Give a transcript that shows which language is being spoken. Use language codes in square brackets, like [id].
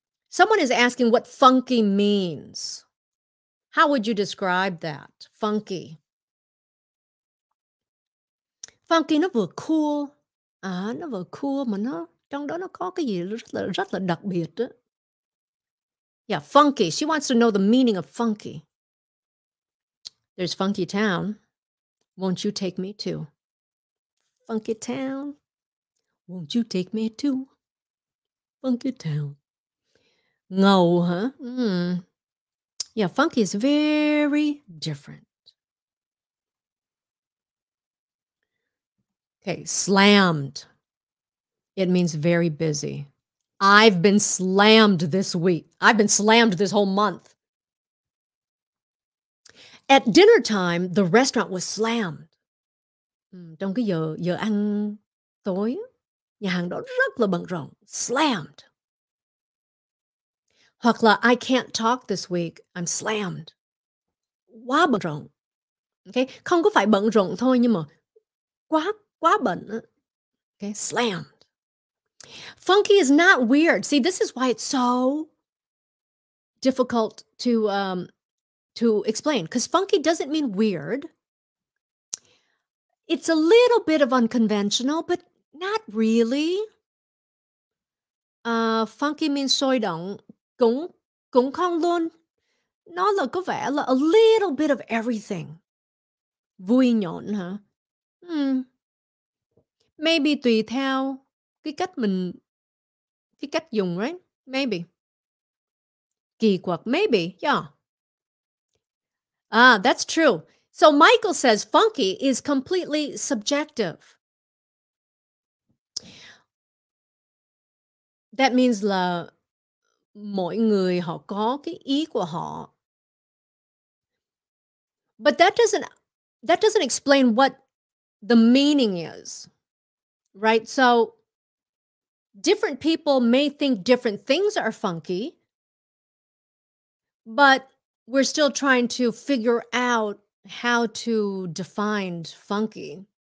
[en] Someone is asking what funky means. How would you describe that? Funky. [vi] Funky nó vừa cool, nó vừa cool mà nó, trong đó nó có cái gì rất là đặc biệt đó. [en] Yeah, funky. She wants to know the meaning of funky. There's funky town. Won't you take me to? Funky town. Won't you take me to? Funky town. Ngầu, huh? Yeah, funky is very different. Okay, slammed. It means very busy. I've been slammed this week. I've been slammed this whole month. At dinner time, the restaurant was slammed. [vi] Trong cái giờ ăn tối, nhà hàng đó rất là bận rộn. [en] Slammed. [vi] Hoặc là [en] I can't talk this week. I'm slammed. [vi] Quá bận rộn. [en] Okay? [vi] Không có phải bận rộn thôi, nhưng mà quá bận. [en] Okay? Slammed. Funky is not weird. See, this is why it's so difficult to explain. Because funky doesn't mean weird. It's a little bit of unconventional, but not really. Funky means [vi] sôi động, cũng không luôn. Nó là có vẻ là [en] a little bit of everything. [vi] Vui nhộn, huh? Maybe tùy theo cái cách dùng, right? [en] Maybe. [vi] Kỳ quặc, [en] maybe, yeah. Ah, that's true. So Michael says funky is completely subjective. That means [vi] là mỗi người họ có cái ý của họ. [en] But that doesn't explain what the meaning is, right? So different people may think different things are funky, but we're still trying to figure out how to define funky.